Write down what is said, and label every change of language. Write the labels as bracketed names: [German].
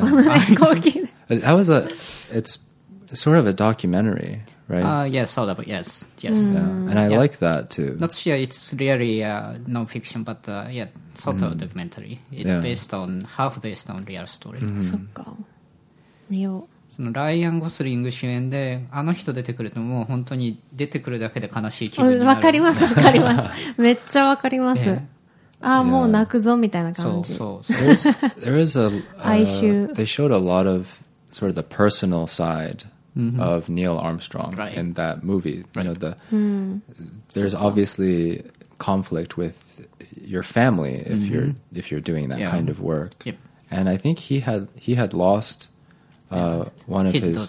[Japanese] この飛行機。 [English] That was a, it's sort of a documentary, right? Yes, all about yes. Yeah. And I like that too. Not sure it's really non-fiction, but sort of documentary. It's based on half based on real story. [Japanese] そっか。real. そのライアン・ゴスリング主演で、あの人出てくるともう本当に出てくるだけで悲しい気分になる。わかります、わかります、めっちゃわかります、ね、ああもう泣くぞみたいな感じ。 [English] There is a [Japanese] 哀愁。 [English] They showed a lot of sort of the personal side of Neil Armstrong in that movie. You know, the there's obviously conflict with your family if you're doing that kind of work. And I think he had lostone of his